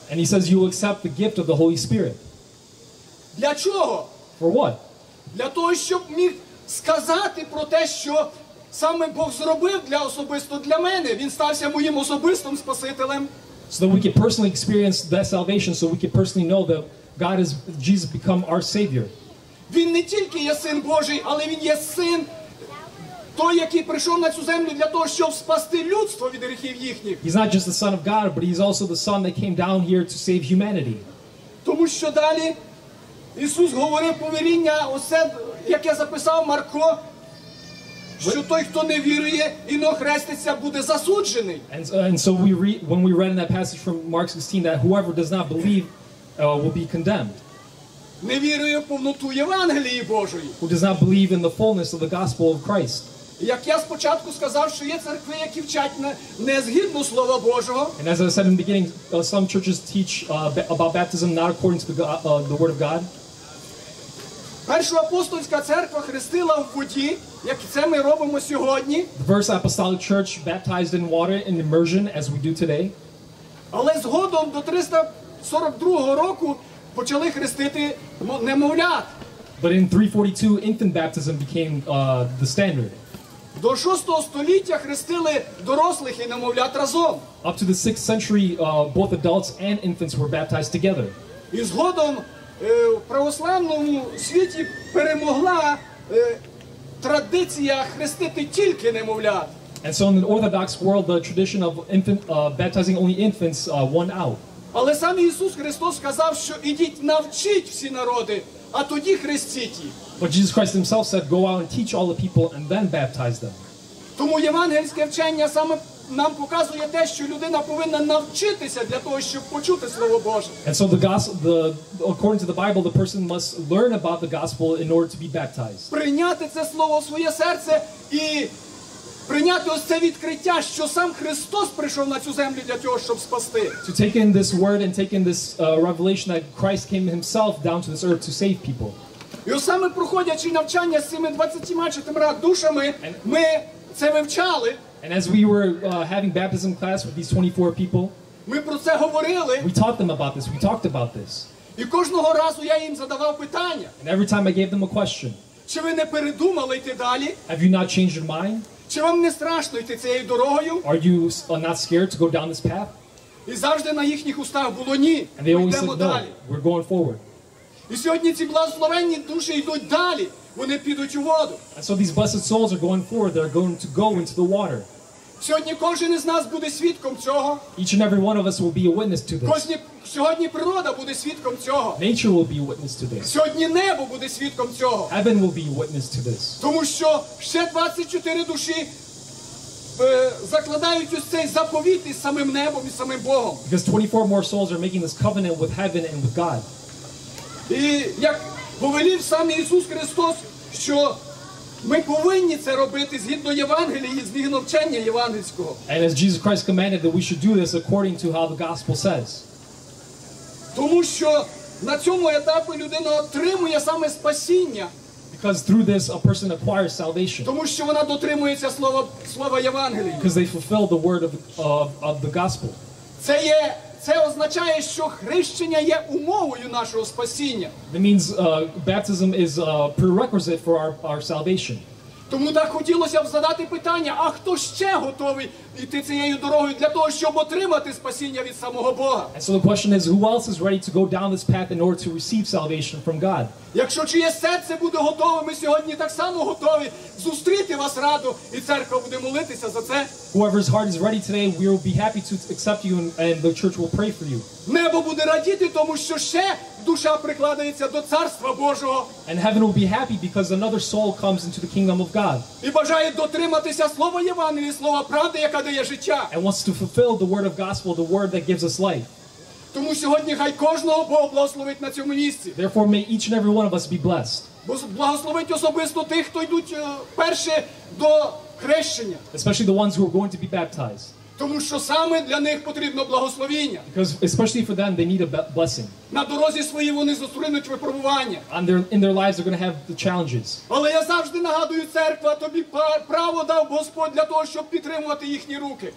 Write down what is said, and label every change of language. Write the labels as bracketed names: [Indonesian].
[English] And he says, you will accept the gift of the Holy Spirit. [Ukrainian] Для чого? [English] For what? [Ukrainian] Для того, щоб міг сказати про те, що саме Бог зробив для особисто для мене. Він стався моїм особистим спасителем. [English] So that we can personally experience that salvation, so we can personally know that God has, Jesus become our Savior. [Ukrainian] Він не тільки є Син Божий, але Він є Син Той, який прийшов на цю землю для того, щоб спасти людство від гріхів їхніх. [English] He's not just the Son of God, but he's also the Son that came down here to save humanity. [Ukrainian] Тому що далі Ісус говорив повіріння, усе, яке записав Марко, що той, хто не вірує, іно хреститься, буде засуджений. [English] And so when we read in that passage from Mark 16 that whoever does not believe will be condemned. [Ukrainian] Не вірує в повноту Євангелії Божої. [English] Who does not believe in the fullness of the gospel of Christ. [Ukrainian] Як я спочатку сказав, що є церкви, які вчать не згідно Слова Божого. [English] And as I said in the beginning, some churches teach about baptism not according to the Word of God. [Ukrainian] Перша апостольська церква хрестила в воді, як це ми робимо сьогодні. [English] The first apostolic church baptized in water, in immersion, as we do today. [Ukrainian] Але згодом до 342 року почали хрестити немовлят. [English] But in 342, infant baptism became the standard. [Ukrainian] До 6 століття хрестили дорослих і немовлят разом. [English] Up to the 6th century, both adults and infants were baptized together. [Ukrainian] І згодом в православному світі перемогла традиція хрестити тільки немовлят. [English] And so in the Orthodox world, the tradition of infant baptizing only infants won out. [Ukrainian] Але сам Ісус Христос сказав, що ідіть навчіть всі народи, а тоді хрестіть їх. [English] But Jesus Christ himself said, go out and teach all the people and then baptize them. [Ukrainian] Тому євангельське вчення саме нам показує те, що людина повинна навчитися для того, щоб почути Слово Боже. [English] And so the gospel, according to the Bible, the person must learn about the gospel in order to be baptized. [Ukrainian] Прийняти це Слово в своє серце і прийняти ось це відкриття, що сам Христос прийшов на цю землю для того, щоб спасти. [English] To take in this word and take in this revelation that Christ came himself down to this earth to save people. [Ukrainian] І ось саме проходячи навчання з цими 24 душами, ми це вивчали. [English] And as we were having baptism class with these 24 people, [Ukrainian] ми про це говорили. [English] We taught them about this, we talked about this. [Ukrainian] І кожного разу я їм задавав питання. [English] And every time I gave them a question. [Ukrainian] Чи ви не передумали йти далі? [English] Have you not changed your mind? [Ukrainian] Чи вам не страшно йти цією дорогою? [English] Are you not scared to go down this path? [Ukrainian] І завжди на їхніх устах було ні. [English] And they always said, no, we're going forward. [Ukrainian] І сьогодні ці благословенні душі йдуть далі. Вони підуть у воду. [English] And so these blessed souls are going forward. They're going to go into the water. [Ukrainian] Сьогодні кожен із нас буде свідком цього. [English] Each and every one of us will be a witness to this. [Ukrainian] Сьогодні природа буде свідком цього. [English] Nature will be a witness to this. [Ukrainian] Сьогодні небо буде свідком цього. [English] Heaven will be a witness to this. [Ukrainian] Тому що ще 24 душі закладають ось цей заповіт із самим небом і самим Богом. [English] Because 24 more souls are making this covenant with heaven and with God. [Ukrainian] І як повелів сам Ісус Христос, що ми повинні це робити згідно Євангелії, згідно вчення євангельського. [English] And as Jesus Christ commanded that we should do this according to how the gospel says. [Ukrainian] Тому що на цьому етапі людина отримує саме спасіння. [English] Because through this a person acquires salvation. [Ukrainian] Тому що вона дотримується слова Євангелії. [English] Because they fulfill the word of the gospel. [Ukrainian] Це означає, що хрещення є умовою нашого спасіння. [English] That means baptism is a prerequisite for our salvation. [Ukrainian] Тому так хотілося б задати питання, а хто ще готовий йти цією дорогою для того, щоб отримати спасіння від самого Бога? [English] And so the question is, who else is ready to go down this path in order to receive salvation from God? [Ukrainian] Якщо чиє серце буде готове, ми сьогодні так само готові зустріти вас радо, і церква буде молитися за це. [English] Whoever's heart is ready today, we will be happy to accept you and the church will pray for you. [Ukrainian] Небо буде радіти, тому що ще душа прикладається до царства Божого. [English] And heaven will be happy because another soul comes into the kingdom of God. [Ukrainian] І бажає дотриматися слова Євангелія, слова правди, яка дає життя. [English] And wants to fulfill the word of gospel, the word that gives us life. [Ukrainian] Тому сьогодні хай кожного Бог благословить на цьому місці. [English] Therefore may each and every one of us be blessed. [Ukrainian] Благословить особисто тих, хто йдуть перше до хрещення. [English] Especially the ones who are going to be baptized. [Ukrainian] Тому що саме для них потрібно благословення. [English] Because especially for them they need a blessing. [Ukrainian] На дорозі своїй вони зустрінуть випробування. [English] And in their lives they're going to have the challenges. [Ukrainian] Але я завжди нагадую, церква тобі право дав Господь для того, щоб підтримувати їхні руки.